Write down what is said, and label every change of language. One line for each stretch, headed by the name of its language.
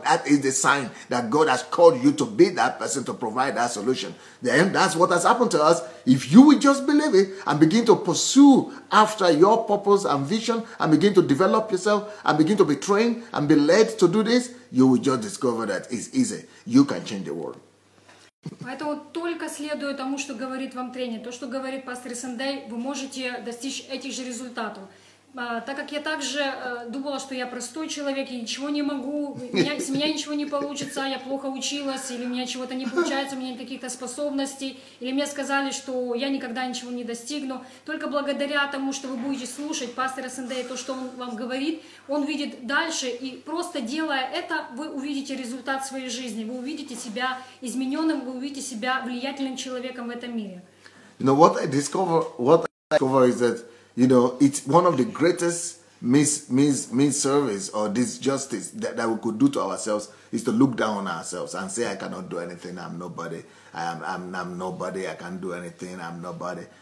English: That is the sign that God has called you to be that person to provide that solution. Then that's what has happened to us. If you will just believe it and begin to pursue after your purpose and vision and begin to develop yourself and begin to be trained and be led to do this, you will just discover that it's easy. You can change the world.
Russian: Поэтому только следуя тому, что говорит вам тренер, то, что говорит пастор Сандей, вы можете достичь этих же результатов. Так как я также думала, что я простой человек, я ничего не могу, с меня ничего не получится, я плохо училась, или у меня чего-то не получается, у меня нет каких-то способностей, или мне сказали, что я никогда ничего не достигну. Только благодаря тому, что вы будете слушать пастора Сандея, то, что он вам говорит, он видит дальше, и просто делая это, вы увидите результат своей жизни, вы увидите себя измененным, вы увидите себя влиятельным человеком в этом мире. Но
English: what I discover is that you know, it's one of the greatest misservice or disjustice that we could do to ourselves is to look down on ourselves and say, I cannot do anything, I'm nobody, I'm nobody, I can't do anything, I'm nobody.